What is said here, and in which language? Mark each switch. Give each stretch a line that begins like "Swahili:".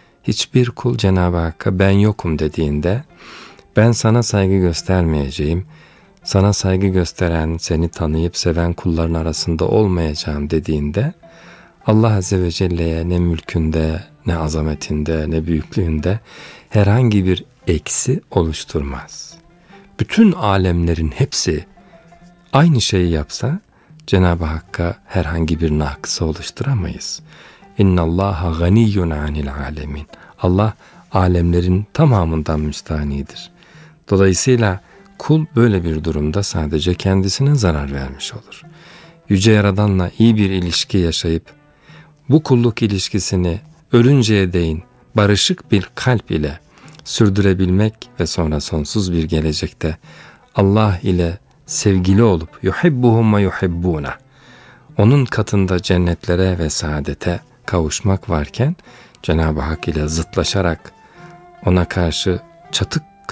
Turkish: Hiçbir kul Cenab-ı Hakk'a ben yokum dediğinde ben sana saygı göstermeyeceğim, sana saygı gösteren, seni tanıyıp seven kulların arasında olmayacağım dediğinde Allah Azze ve Celle'ye ne mülkünde, ne azametinde, ne büyüklüğünde herhangi bir eksi oluşturmaz. Bütün alemlerin hepsi aynı şeyi yapsa Cenab-ı Hakk'a herhangi bir nakısı oluşturamayız.
Arabic: اِنَّ اللّٰهَ غَن۪يٌ عَنِ الْعَالَم۪ينَ
Turkish: Allah alemlerin tamamından müstağnidir. Dolayısıyla kul böyle bir durumda sadece kendisine zarar vermiş olur. Yüce Yaradan'la iyi bir ilişki yaşayıp bu kulluk ilişkisini ölünceye değin barışık bir kalp ile sürdürebilmek ve sonra sonsuz bir gelecekte Allah ile sevgili olup
Arabic: yuhibbuhumma yuhibbuna
Turkish: onun katında cennetlere ve saadete kavuşmak varken Cenab-ı Hak ile zıtlaşarak ona karşı çatık